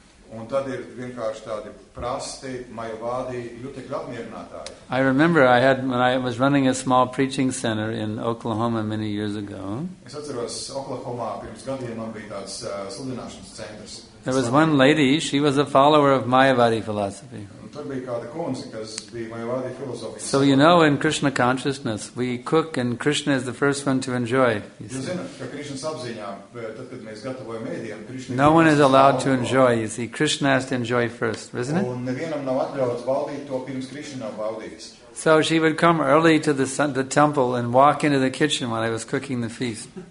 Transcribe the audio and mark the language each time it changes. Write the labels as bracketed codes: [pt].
[lv] Un tad ir vienkārši tādi prasti Mayavadi jutekļu apmierinātāji. [en] I remember I had when I was running a small preaching center in Oklahoma many years ago. [lv] Es atceros Oklahoma pirms gadiem man bija tāds sludināšanas centrs. [en] There was one lady, she was a follower of Mayavadi philosophy. [lv] Un tur bija kāda kundze, kas bija Maivādi filozofija. [en] So you know in Krishna consciousness, we cook and Krishna is the first one to enjoy. [lv] Jūs zināt, ka Krishnas apziņā, tad, kad mēs gatavojam ēdienu, Krishna... [en] No one is allowed to enjoy, you see, Krishna has to enjoy first, isn't it? [lv] Un nevienam nav atļauts baudīt to, pirms Krishna nav baudījis. [en] So she would come early to the temple and walk into the kitchen when I was cooking the feast.